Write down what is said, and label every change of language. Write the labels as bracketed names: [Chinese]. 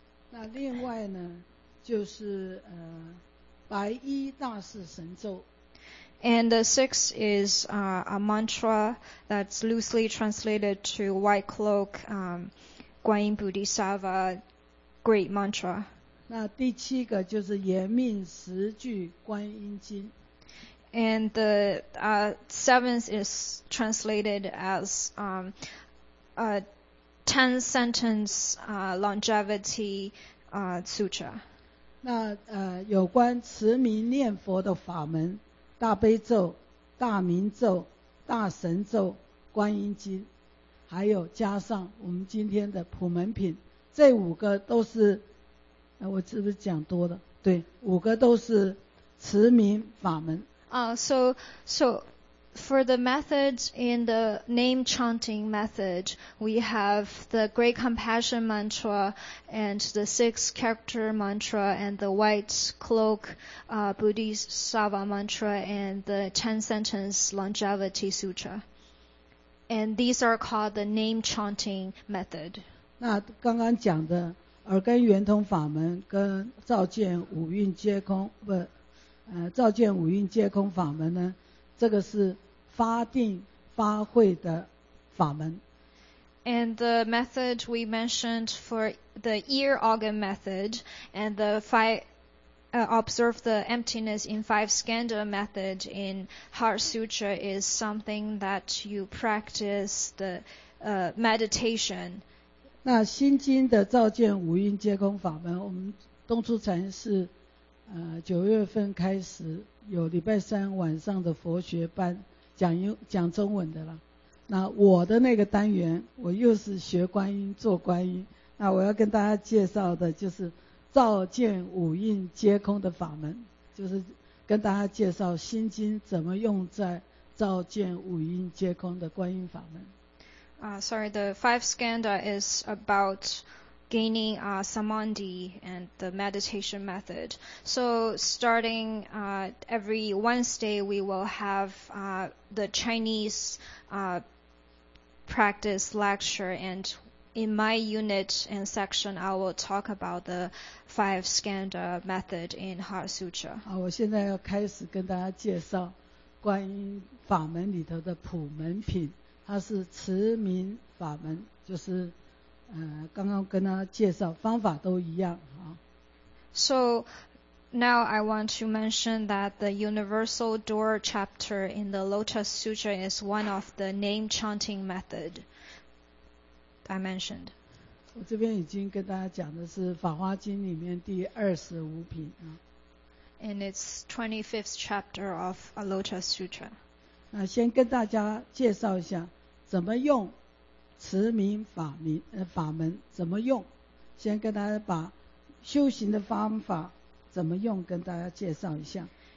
[Chinese] 那另外呢，就是白衣大士神咒。 [English] And the sixth is a mantra that's loosely translated to white cloak, Guan Yin Bodhisattva, great mantra. [Chinese] 那第七个就是延命十句观音经。 [English] And the seventh is translated as a ten sentence longevity sutra. [Chinese] 那有关持名念佛的法门，大悲咒、大明咒、大神咒、观音经，还有加上我们今天的普门品，这五个都是。我是不是讲多了？对，五个都是持名法门。 [English] So for the methods in the name chanting method, we have the Great Compassion Mantra and the Six Character Mantra and the White Cloak Bodhisattva Mantra and the Ten Sentence Longevity Sutra. And these are called the name chanting method. [Chinese] 那刚刚讲的。耳根圆通法门跟照见五蕴皆空不，照见五蕴皆空法门呢，这个是发定发慧的法门。 [English] And the method we mentioned for the ear organ method and the five observe the emptiness in five skandha method in Heart Sutra is something that you practice the meditation. [Chinese] 那心经的照见五蕴皆空法门，我们东出禅寺，九月份开始有礼拜三晚上的佛学班，讲中文的了。那我的那个单元，我又是学观音做观音，那我要跟大家介绍的就是照见五蕴皆空的法门，就是跟大家介绍心经怎么用在照见五蕴皆空的观音法门。 [English] The five skandha is about gaining samadhi and the meditation method. So starting every Wednesday, we will have the Chinese practice lecture and in my unit and section, I will talk about the five skanda method in Heart Sutra. [Chinese] 好，我现在要开始跟大家介绍观音法门里头的普门品，它是持名法门，就是刚刚跟大家介绍方法都一样啊。 [English] So now I want to mention that the Universal Door Chapter in the Lotus Sutra is one of the name chanting method I mentioned. [Chinese] 我这边已经跟大家讲的是《法华经》里面第25品啊。 [English] And it's 25th chapter of a Lotus Sutra. [Chinese] 那先跟大家介绍一下怎么用持名法名法门怎么用，先跟大家把修行的方法怎么用跟大家介绍一下。